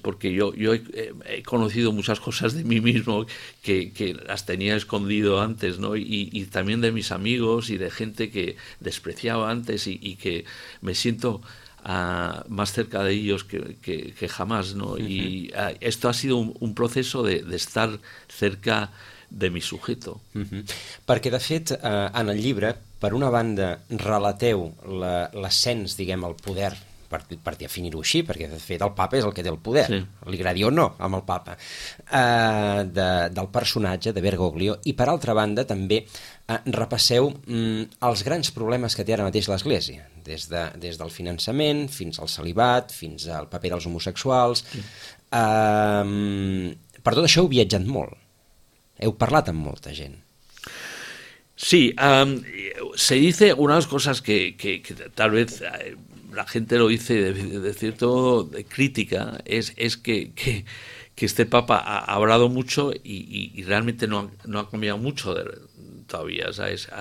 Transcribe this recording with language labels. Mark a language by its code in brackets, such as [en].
[es] Porque yo he conocido muchas cosas de mí mismo que las tenía escondido antes, ¿no? Y también de mis amigos y de gente que despreciaba antes, y que me siento más cerca de ellos que jamás, ¿no? Uh-huh. Y esto ha sido un proceso de estar cerca de mi sujeto. Uh-huh. [ca] Perquè, de fet, en el llibre, per una banda, relateu l'ascens, diguem, al poder per definir-ho així, perquè de fet el papa és el que té el poder, sí. Li agradi o no amb el papa, del personatge de Bergoglio, i per altra banda també repasseu els grans problemes que té ara mateix l'Església, des del finançament, fins al celibat, fins al paper dels homosexuals, per tot això heu viatjat molt, heu parlat amb molta gent. [es] Sí, se dice una de las cosas que tal vez la gente lo dice de cierto de crítica, es que este papa ha hablado mucho y realmente no ha cambiado mucho todavía, ¿sabes?